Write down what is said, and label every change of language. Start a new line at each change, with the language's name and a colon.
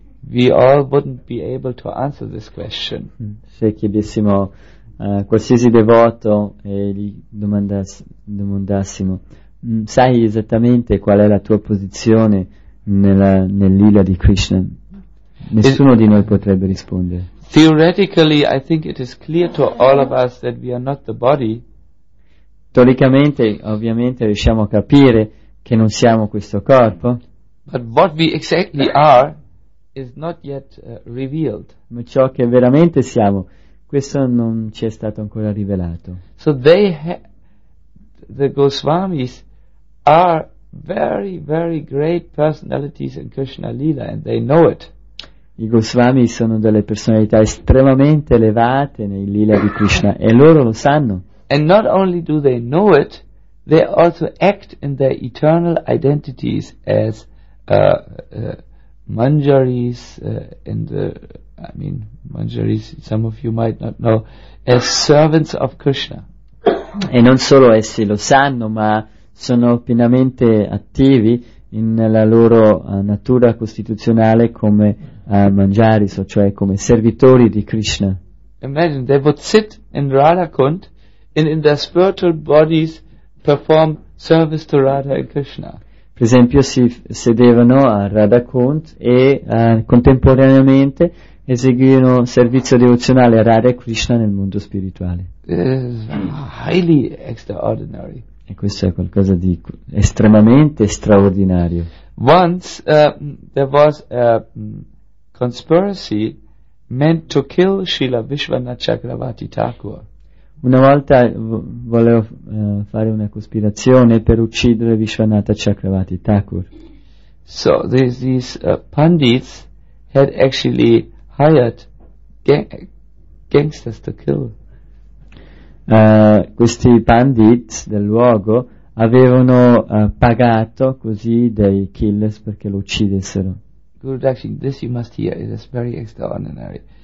English: We all wouldn't be able to answer this question.
Italian: Se chiedessimo a qualsiasi devoto e gli domandassimo, sai esattamente qual è la tua posizione nel Lila di Krishna? Nessuno di noi potrebbe rispondere.
English: Theoretically, I think it is clear to all of us that we are not the body.
Italian: Teoricamente, ovviamente, riusciamo a capire che non siamo questo corpo.
English: But what we exactly are is not yet revealed.
Italian: Ma ciò che veramente siamo, questo non ci è stato ancora rivelato.
English: So they, the Goswamis, are very, very great personalities in Krishna Lila, and they know it.
Italian: I Goswami sono delle personalità estremamente elevate nei Lila di Krishna e loro lo sanno.
English: And not only do they know it, they also act in their eternal identities as manjaris manjaris, some of you might not know, as servants of Krishna.
Italian: E non solo essi lo sanno, ma sono pienamente attivi nella loro natura costituzionale come mangiaris, cioè come servitori di Krishna.
English: Imagine, they would sit in Radhakund and in their spiritual bodies perform service to Radha and Krishna.
Italian: Per esempio, si sedevano a Radhakund e contemporaneamente eseguivano servizio devozionale a Radha e Krishna nel mondo spirituale.
English: It is highly extraordinary.
Italian: E questo è qualcosa di estremamente straordinario.
English: Once there was a conspiracy meant to kill Srila Vishwanatha Chakravarti Thakur.
Italian: Una volta volevo fare una cospirazione per uccidere Vishwanatha Chakravarti Thakur.
English: So these pandits had actually hired gangsters to kill.
Italian: Questi pandits del luogo avevano pagato così dei killers perché lo uccidessero.
English: Good, actually, this you must hear. It is very extraordinary.